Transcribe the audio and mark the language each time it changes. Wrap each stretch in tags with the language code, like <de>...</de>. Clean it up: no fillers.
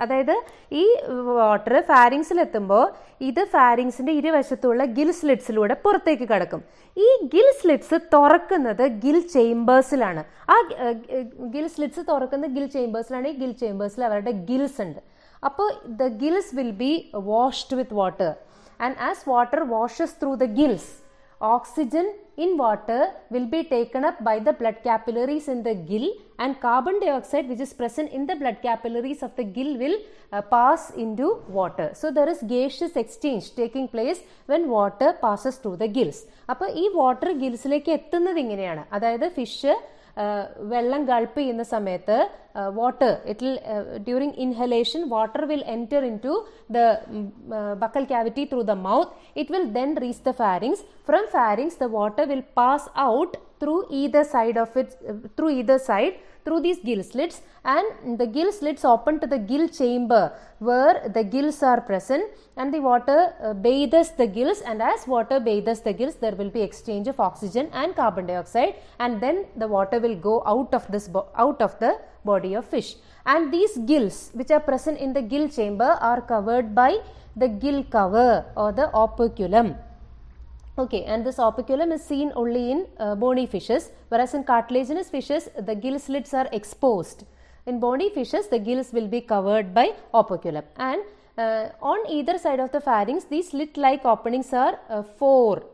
<ml>അതായത് ഈ വാട്ടർ ഫാരിങ്സിൽ എത്തുമ്പോൾ ഇത് ഫാരിങ്സിന്റെ ഇരുവശത്തുള്ള ഗിൽ സ്ലിറ്റ്സിലൂടെ പുറത്തേക്ക് കടക്കും. ഈ ഗിൽ സ്ലിറ്റ്സ് തുറക്കുന്നത് ഗിൽ ചേമ്പേഴ്സിലാണ്. ആ ഗിൽ സ്ലിറ്റ്സ് തുറക്കുന്ന ഗിൽ ചേമ്പേഴ്സിലാണ്. ഈ ഗിൽ ചേമ്പേഴ്സിൽ അവരുടെ ഗിൽസ് ഉണ്ട്.</ml> <en>അപ്പോൾ the gills will be washed with water. And as water washes through the gills, oxygen in water will be taken up by the blood capillaries in the gill, and carbon dioxide which is present in the blood capillaries of the gill will pass into water. So there is gaseous exchange taking place when water passes through the gills.</en> <ml>Appo ee water gills like ettunnathu ingeniyana, adayathu fish വെള്ളം ഗൾപ്പ് ചെയ്യുന്ന സമയത്ത്</ml> <en>Water it during inhalation water will enter into the buccal cavity through the mouth. It will then reach the pharynx. From pharynx the water will pass out through either side of it through either side through these gill slits. And the gill slits open to the gill chamber where the gills are present. And the water bathes the gills, and as water bathes the gills there will be exchange of oxygen and carbon dioxide, and then the water will go out of this out of the body of fish. And these gills which are present in the gill chamber are covered by the gill cover or the operculum. Okay, and this operculum is seen only in bony fishes, whereas in cartilaginous fishes, the gill slits are exposed. In bony fishes, the gills will be covered by operculum. And On either side of the pharynx, these slit-like openings are four.</en>